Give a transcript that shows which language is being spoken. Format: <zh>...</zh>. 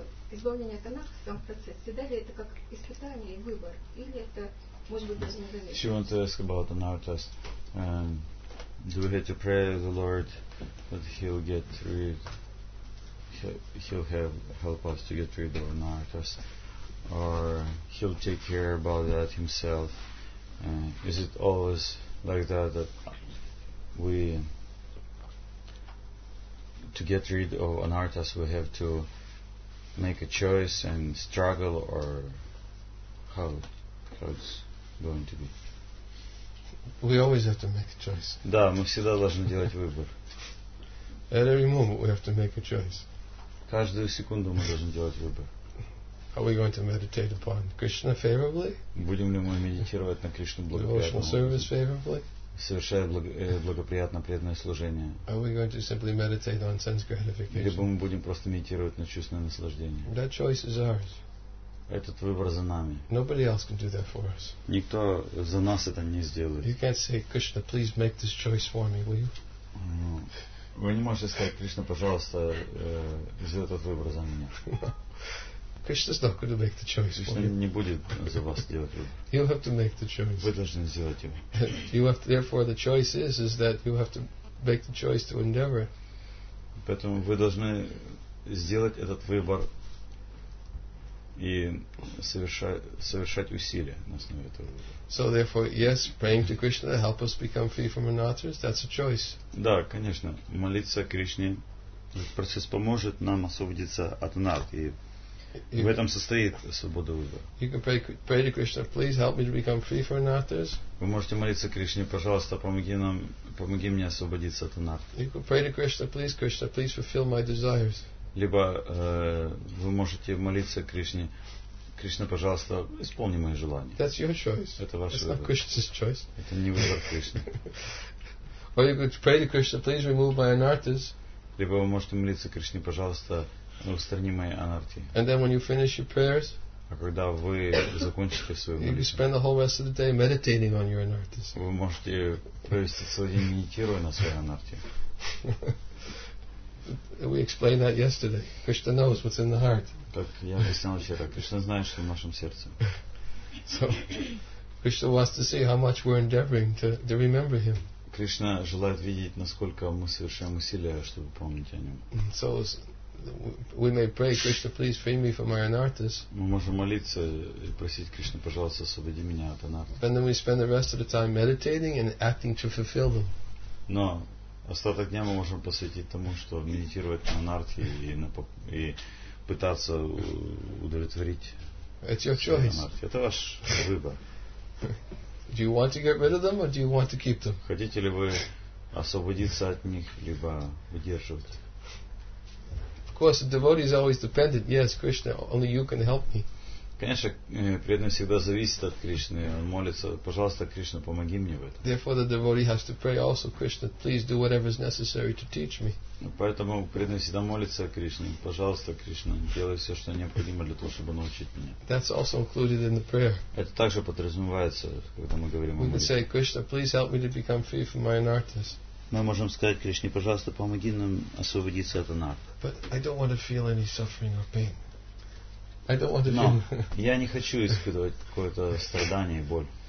<ru>Избавление от анартхи, сам процесс, всегда ли это как испытание и выбор? Или это...</ru> <en>She wants to ask about the Anartas. Do we have to pray the Lord that He'll get rid, He'll have help us to get rid of the Anartas, or He'll take care about that Himself? Is it always like that we, to get rid of Anartas, we have to make a choice and struggle, or how it's going to be? We always have to make a choice.</en> <ru>Да, мы всегда должны делать выбор.</ru> <en>At every moment we have to make a choice.</en> <ru>Каждую секунду мы должны делать выбор.</ru> <en>Are we going to meditate upon Krishna favorably?</en> <ru>Будем ли мы медитировать на Кришну благоприятно?</ru> <en>Devotional service favorably?</en> <ru>Совершая благоприятно преданное служение.</ru> <en>Are we going to simply meditate on sense gratification?</en> <ru>Либо мы будем просто медитировать на чувственное наслаждение.</ru> <en>That choice is ours.</en> <ru>Этот выбор за нами.</ru> <en>Nobody else can do that for us.</en> <ru>Никто за нас это не сделает.</ru> <en>You can't say, Krishna, please make this choice for me, will you? No.</en> <ru>Вы не можете сказать, Кришна, пожалуйста, сделай этот выбор за меня.</ru> <en>No. Krishna's not going to make the choice for you.</en> <ru>Кришна не будет за вас делать выбор.</ru> <en>You have to make the choice.</en> <ru>Вы должны сделать его.</ru> <en>You have to, therefore, the choice is that you have to make the choice to endeavor.</en> <ru>Поэтому вы должны сделать этот выбор и совершать усилия на основе этого.</ru> <en>So therefore, yes, praying to Krishna to help us become free from anarthas, that's a choice.</en> <ru>Да, конечно, молиться Кришне, этот процесс поможет нам освободиться от анарт, и в этом состоит свобода выбора.</ru> <en>You can pray to Krishna, please help me to become free from anarthas.</en> <ru>Вы можете молиться Кришне, пожалуйста, помоги мне освободиться от анарт.</ru> <en>You can pray to Krishna, please fulfill my desires.</en> <ru>Либо вы можете молиться Кришне: Кришна, пожалуйста, исполни мои желания.</ru> <en>That's your choice.</en> <ru>Это ваш выбор.</ru> <en>It's not Krishna's choice.</en> <ru>Это не выбор Кришны.</ru> <en>Or you could pray to Krishna, please remove my anarthas.</en> <ru>Либо вы можете молиться Кришне: пожалуйста, устрани мои анарти.</ru> <en>And then when you finish your prayers,</en> <ru>а когда вы закончите свою молитву,</ru> <en>you spend the whole rest of the day meditating on your anarthas.</en> <ru>Вы можете провести целый день, медитируя на своей анарти.</ru> <en>We explained that yesterday. Krishna knows what's in the heart.</en> <ru>Так я объяснял вчера. Кришна знает, что в нашем сердце.</ru> <en>So Krishna wants to see how much we're endeavoring to remember Him.</en> <ru>Кришна желает видеть, насколько мы совершаем усилия, чтобы помнить о нем.</ru> <en>So we may pray, Krishna, please free me from my anarthas.</en> <ru>Мы можем молиться и просить Кришну, пожалуйста, освободи меня от анартхи.</ru> <en>And then we spend the rest of the time meditating and acting to fulfill them.</en> <ru>Но остаток дня мы можем посвятить тому, что медитировать на анартхи и пытаться удовлетворить.</ru> <en>It's your choice.</en> <ru>Это ваш выбор.</ru> <en>Do you want to get rid of them or do you want to keep them?</en> <ru>Хотите ли вы освободиться от них либо удерживать их?</ru> <en>Of course, the devotee is always dependent. Yes, Krishna, only you can help me.</en> <ru>Конечно, преданный всегда зависит от Кришны. Он молится: пожалуйста, Кришна, помоги мне в этом.</ru> <en>Therefore, the devotee has to pray also, Krishna, please do whatever is necessary to teach me.</en> <ru>Поэтому преданный всегда молится Кришне: пожалуйста, Кришна, делай все, что необходимо для того, чтобы научить меня.</ru> <en>That's also included in the prayer.</en> <ru>Это также подразумевается, когда мы говорим о молитве.</ru> <en>We can say, Krishna, please help me to become free from my anarthas.</en> <ru>Мы можем сказать: Кришне, пожалуйста, помоги нам освободиться от анартх.</ru> <en>But I don't want to feel any suffering or pain. I don't want to feel.</en> <ru>Я не хочу испытывать какое-то страдание и боль.</ru>